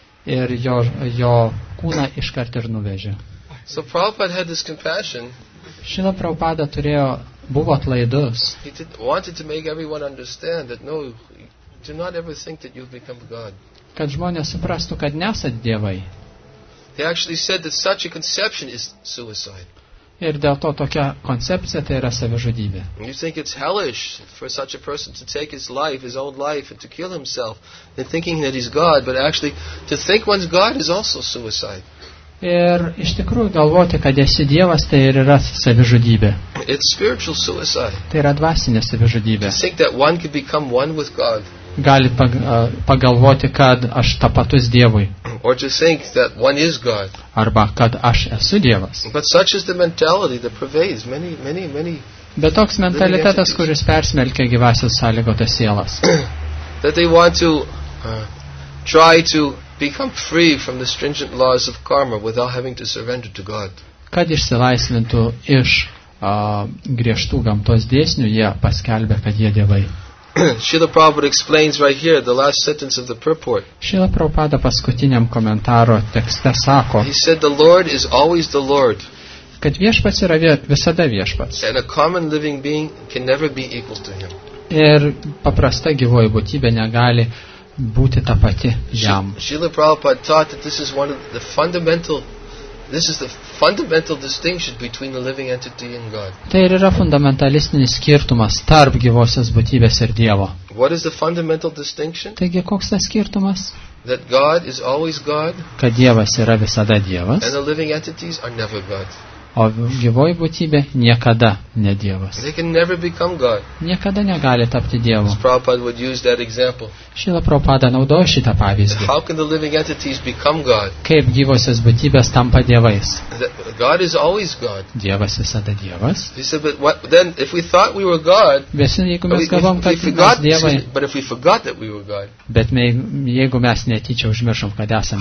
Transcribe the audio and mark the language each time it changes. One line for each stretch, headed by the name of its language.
Lithuanian: Ir jo kūną iškart ir nuvežė.
English: So Prabhupada had this compassion.
Lithuanian: Šila Prabhupada turėjo buvo atlaidus.
English: He wanted to make everyone understand that no, do not ever think that you've become God.
Lithuanian: Kad žmonės suprastų, kad nesat dievai.
English: They actually said that such a conception is suicide.
Lithuanian: Ir dėl to tokia koncepcija tai yra savižudybė.
English: You think it's hellish for such a person to take his life, his own life, and to kill himself, and thinking that he's God, but actually to think one's God is also suicide.
Lithuanian: Ir iš tikrųjų galvoti, kad esi Dievas, tai ir yra savižudybė.
English: It's spiritual suicide.
Lithuanian: Tai yra dvasinė savižudybė.
English: To think that one could become one with God.
Lithuanian: Gali pagalvoti, kad aš tapatus Dievui.
English: Or to think that one is God.
Lithuanian: Arba kad aš esu Dievas.
English: But such is the mentality that pervades many, many, many.
Lithuanian: Bet toks mentalitetas, kuris persmelkia gyvasios sąlygotas sielas.
English: That they want to try to become free from the stringent laws of karma without having to surrender to God.
Lithuanian: Kad išsilaisvintų iš griežtų gamtos dėsnių, jie paskelbė, kad jie dievai.
English: Srila Prabhupada explains right here the last sentence of the purport.
Lithuanian: Srila Prabhupada paskutiniam komentaro tekste sako.
English: He said the Lord is always the Lord.
Lithuanian: Kad viešpats yra visada viešpats.
English: And a common living being can never be equal to him.
Lithuanian: Ir paprasta gyvoji būtybė negali būti ta pati jam.
English: Srila Prabhupada taught that this is one of the fundamental distinction between the living entity and God.
Lithuanian: Tai ir yra fundamentalistinis skirtumas tarp gyvosios būtybės ir Dievo.
English: What is the fundamental distinction?
Lithuanian: Taigi koks tas skirtumas?
English: That God is always God.
Lithuanian: Kad Dievas yra visada Dievas.
English: And the living entities are never God.
Lithuanian: O gyvoji būtybė niekada ne Dievas.
English: They can never become God.
Lithuanian: Niekada negali tapti Dievu.
English: Prabhupada would use that example.
Lithuanian: Šila Prabhupada naudoja šitą pavyzdį.
English: How can the living entities become God?
Lithuanian: Kaip gyvosios būtybės tampa Dievais?
English: God is always God.
Lithuanian: Dievas visada Dievas.
English: He said, but what, then if we thought we were God, but if we forgot that we were God,
Lithuanian: bet jeigu mes netyčia užmiršom, kad esam